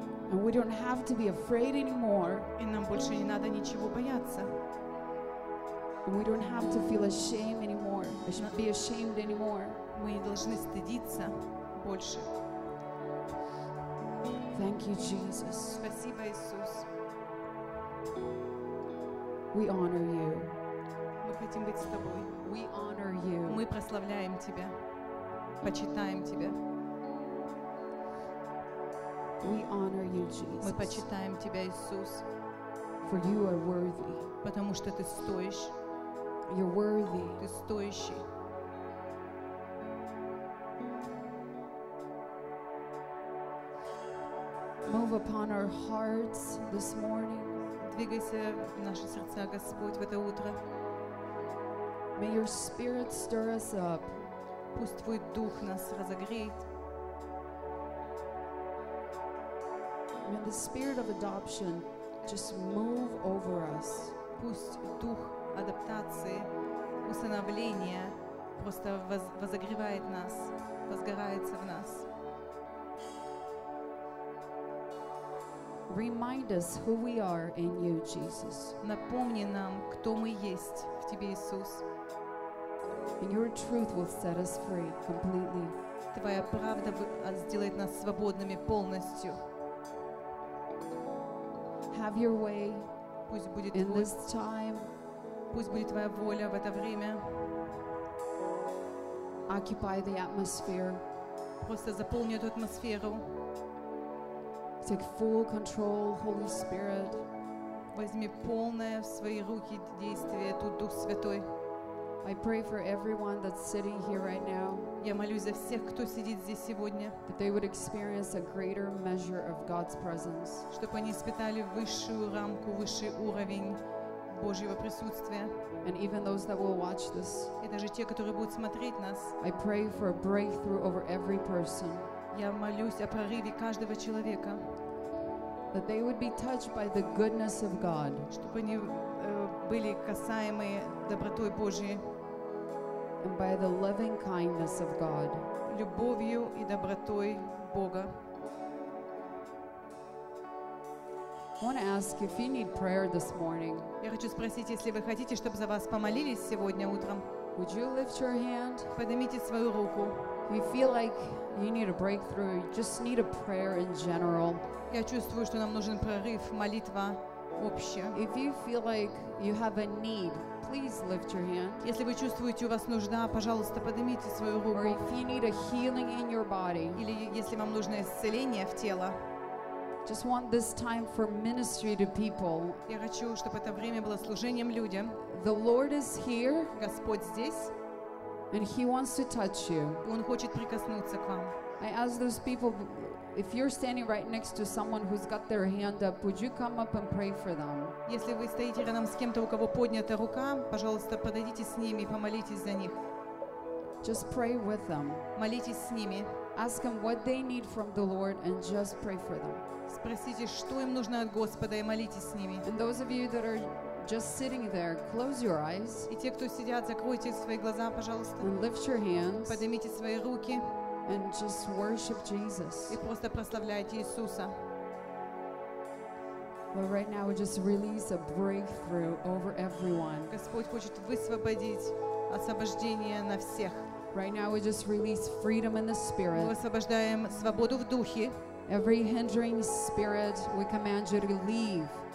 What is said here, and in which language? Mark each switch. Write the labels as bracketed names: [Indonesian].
[English] And we don't have to be afraid anymore. [Russian] И нам больше не надо ничего бояться. [English] And we don't have to feel ashamed anymore. We shouldn't be ashamed anymore. [Russian] Мы не должны стыдиться больше. [English] Thank you, Jesus. [Russian] Спасибо, Иисус. [English] We honor you. [Russian] Мы хотим быть с тобой. [English] We honor you. [Russian] Мы прославляем тебя. Почитаем тебя. [English] We honor you, Jesus. [Russian] Мы почитаем тебя, Иисус. [English] For you are worthy. [Russian] Потому что ты стоишь. [English] You're worthy. [Russian] Ты стоящий. [English] Move upon our hearts this morning. [Russian] Двигайся в наши сердца, Господь, в это утро. [English] May your spirit stir us up. [Russian] Пусть твой дух нас разогреет. [English] May the spirit of adoption just move over us. [Russian] Пусть дух адаптации, усыновления просто возогревает нас, возгорается в нас. [English] Remind us who we are in you, Jesus. [Russian] Напомни нам, кто мы есть в тебе, Иисус. [English] And your truth will set us free completely. [Russian] Твоя правда сделает нас свободными полностью. [English] Have your way. [Russian] Пусть будет [English] in this time. [Russian] Пусть будет твоя воля в это время. [English] Occupy the atmosphere. [Russian] просто заполни эту атмосферу. [English] Take full control, Holy Spirit. [Russian] Возьми полное в свои руки действие, тут Дух Святой. [English] I pray for everyone that's sitting here right now. [Russian] Я молюсь за всех, кто сидит здесь сегодня. [English] That they would experience a greater measure of God's presence. [Russian] Чтобы они испытали высшую рамку, высший уровень Божьего присутствия. [English] And even those that will watch this. [Russian] И даже те, которые будут смотреть нас. [English] I pray for a breakthrough over every person. [Russian] Я молюсь о прорыве каждого человека. [English] That they would be touched by the goodness of God. [Russian] Чтобы они были касаемы добротой Божьей. [English] And by the loving kindness of God. [Russian] Любовью и добротой Бога. [English] I want to ask if you need prayer this morning. [Russian] Я хочу спросить, если вы хотите, чтобы за вас помолились сегодня утром. [English] Would you lift your hand? [Russian] Поднимите свою руку. [English] You feel like you need a breakthrough. You just need a prayer in general. [Russian] Я чувствую, что нам нужен прорыв, молитва общая. [English] If you feel like you have a need, please lift your hand. [Russian] Если вы чувствуете, у вас нужда, пожалуйста, поднимите свою руку. [English] Or if you need a healing in your body. [Russian] Или если вам нужно исцеление в теле. [English] Just want this time for ministry to people. [Russian] Я хочу, чтобы это время было служением людям. [English] The Lord is here. [Russian] Господь здесь. [English] And He wants to touch you. [Russian] Он хочет прикоснуться к вам. [English] I ask those people, if you're standing right next to someone who's got their hand up, would you come up and pray for them? [Russian] Если вы стоите рядом с кем-то, у кого поднята рука, пожалуйста, подойдите с ними и помолитесь за них. [English] Just pray with them. [Russian] Молитесь с ними. [English] Ask them what they need from the Lord and just pray for them. [Russian] Спросите, что им нужно от Господа, и молитесь с ними. [English] And those of you that are just sitting there, close your eyes. [Russian] И те, кто сидят, закройте свои глаза, пожалуйста. [English] And lift your hands. [Russian] Поднимите свои руки. [English] And just worship Jesus. [Russian] И просто прославляйте Иисуса. [English] Lord, right now we just release a breakthrough over everyone. [Russian] Господь хочет высвободить освобождение на всех. [English] Right now we just release freedom in the spirit. [Russian] Мы освобождаем свободу в духе. [English] Every hindering spirit, we command you to leave.